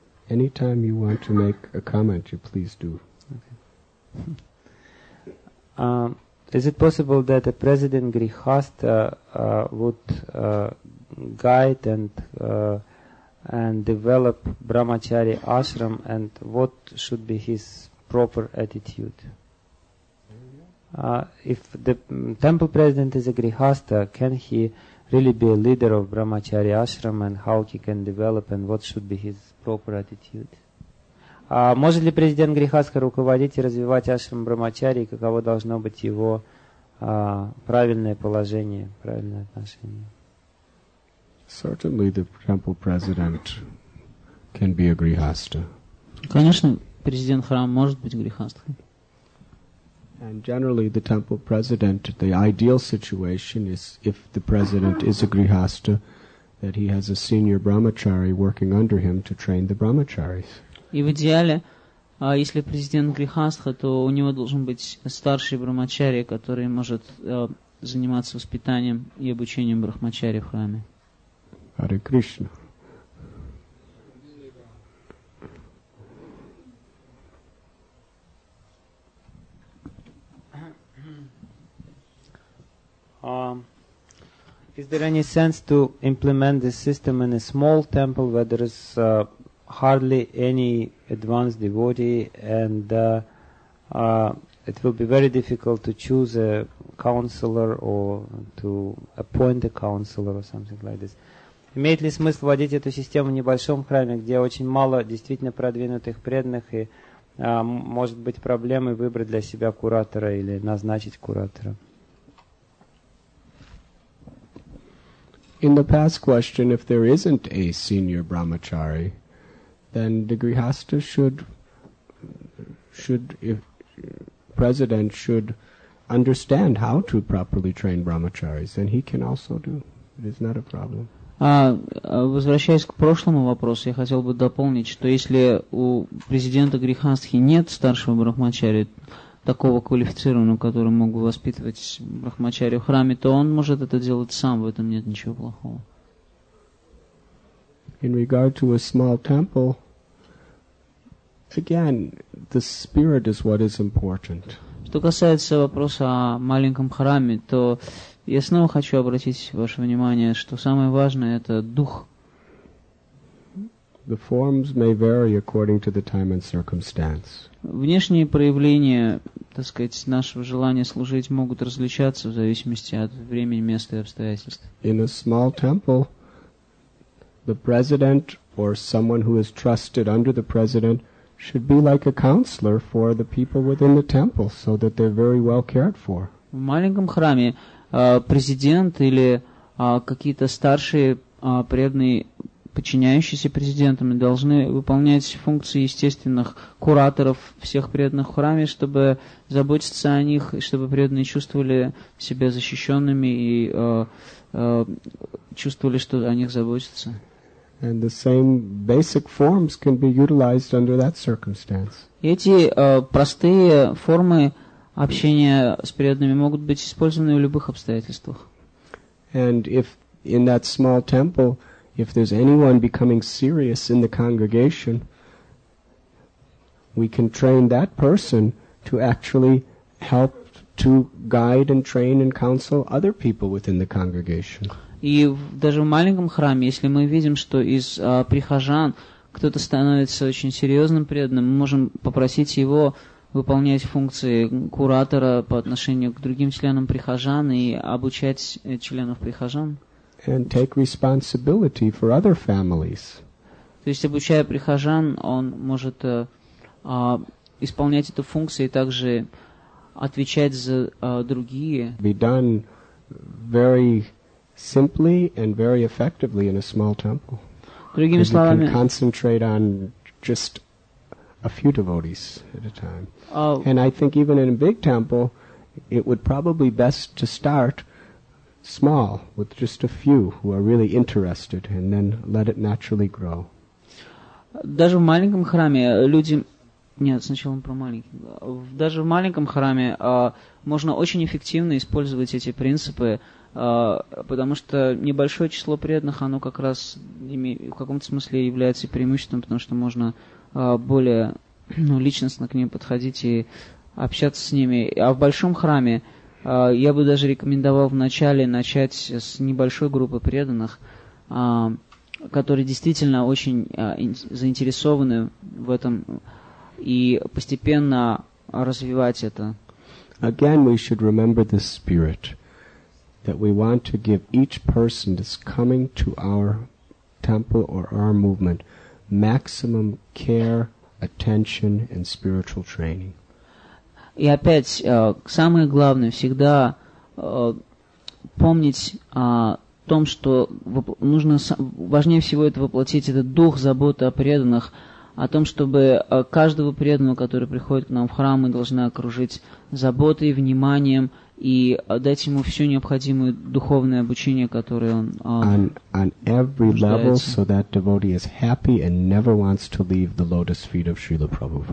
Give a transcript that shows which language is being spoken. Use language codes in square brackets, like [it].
[en] Anytime you want to make a comment, you please do. Okay. Is it possible that a president Grihastha would guide and develop Brahmachari ashram, and what should be his proper attitude? If the temple president is a Grihastha, can he really be a leader of Brahmachari ashram, and how he can develop, and what should be his proper attitude? [ru] Может ли президент Грихастха руководить и развивать ашрам Брахмачари, и каково должно быть его правильное положение, правильное отношение? [en] Certainly the temple president can be a Grihastha. [ru] Конечно, президент храма может быть Грихастхой. [en] And generally, the temple president, the ideal situation is if the president is a grihastha, that he has a senior brahmachari working under him to train the brahmacharis. [ru] И в идеале, если президент грихастха, то у него должен быть старший брахмачари, который может заниматься воспитанием и обучением брахмачари в храме. [en] Hare Krishna. Is there any sense to implement this system in a small temple where there is hardly any advanced devotee and it will be very difficult to choose a counselor or to appoint a counselor or something like this? [ru] Имеет ли смысл вводить эту систему в небольшом храме, где очень мало действительно продвинутых преданных и может быть проблемы выбрать для себя куратора или назначить куратора? [en] In the past question, if there isn't a senior brahmachari, then the grihastha should understand how to properly train brahmacharis, then he can also do. It is not a problem. [ru] Возвращаясь к прошлому вопросу, я хотел бы дополнить, что если у президента грихастхи нет старшего брахмачари, такого квалифицированного, который мог бы воспитывать брахмачари в храме, то он может это делать сам, в этом нет ничего плохого. [en] In regard to a small temple, again, the spirit is what is important. [ru] Что касается вопроса о маленьком храме, то я снова хочу обратить ваше внимание, что самое важное – это дух. [en] The forms may vary according to the time and circumstance. [ru] Внешние проявления, так сказать, нашего желания служить могут различаться в зависимости от времени, места и обстоятельств. [en] In a small temple, the president or someone who is trusted under the president should be like a counselor for the people within the temple, so that they're very well cared for. [ru] В маленьком храме президент или какие-то старшие преданные подчиняющиеся президентам должны выполнять функции естественных кураторов всех преданных в храме, чтобы заботиться о них, и чтобы преданные чувствовали себя защищенными и чувствовали, что о них заботятся. [en] And the same basic forms can be utilized under that circumstance. [ru] Эти простые формы общения с преданными могут быть использованы в любых обстоятельствах. [en] And if in that small temple, if there's anyone becoming serious in the congregation, we can train that person to actually help to guide and train and counsel other people within the congregation. [ru] И даже в маленьком храме, если мы видим, что из прихожан кто-то становится очень серьезным преданным, мы можем попросить его выполнять функции куратора по отношению к другим членам прихожан и обучать членов прихожан. [en] And take responsibility for other families. [ru] То есть обучая прихожан, он может исполнять эту функцию и также отвечать за другие. [en] Be done very simply and very effectively in a small temple. [ru] Другими словами, [en] you can concentrate on just a few devotees at a time. And I think even in a big temple, it would probably best to start small, with just a few who are really interested, and then let it naturally grow. [ru] Даже в маленьком храме люди... Нет, сначала про маленький. Даже в маленьком храме можно очень эффективно использовать эти принципы, потому что небольшое число преданных, оно как раз в каком-то смысле является преимуществом, потому что можно более личностно к ним подходить и общаться с ними. А в большом храме я бы даже рекомендовал вначале начать с небольшой группы преданных, которые действительно очень заинтересованы в этом, и постепенно развивать это. [en] Again, we should remember the spirit that we want to give each person that's coming to our temple or our movement maximum care, attention and spiritual training. [ru] И опять, самое главное всегда помнить о том, что нужно важнее всего это воплотить этот дух заботы о преданных, о том, чтобы каждого преданного, который приходит к нам в храм, мы должны окружить заботой, вниманием и дать ему все необходимое духовное обучение, которое он [en] On every level, so that devotee is happy and never wants to leave the lotus feet of Srila Prabhupada.